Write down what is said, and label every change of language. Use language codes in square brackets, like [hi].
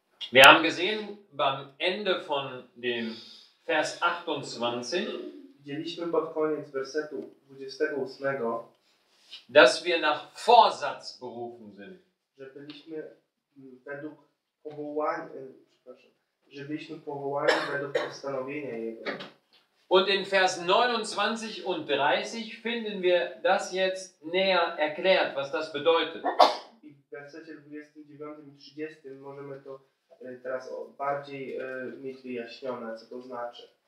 [de] Wir haben gesehen beim Ende von dem Vers 28, [pl] widzieliśmy pod koniec wersetu 28, [de] dass wir nach Vorsatz berufen sind. [pl] Że byliśmy według powołania, przepraszam, że byliśmy powołani według postanowienia Jego. [de] Und in Vers 29 und 30 finden wir das jetzt näher erklärt, was das bedeutet. [pl] I w wersecie 29 i 30 możemy to teraz bardziej mieć wyjaśnione, co to znaczy.